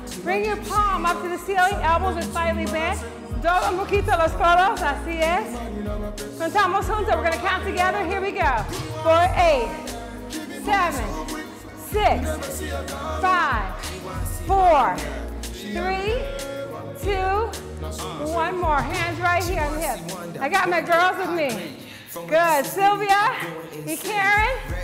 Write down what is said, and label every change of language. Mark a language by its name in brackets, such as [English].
[English] Bring your palm up to the ceiling, elbows are slightly bent. [Spanish] Dobla un poquito los codos, así es. Contamos juntos, [English] we're gonna count together, here we go. Four, eight, seven, six, five, four, three, two, one more, hands right here on the hip. I got my girls with me. Good, Sylvia and Karen.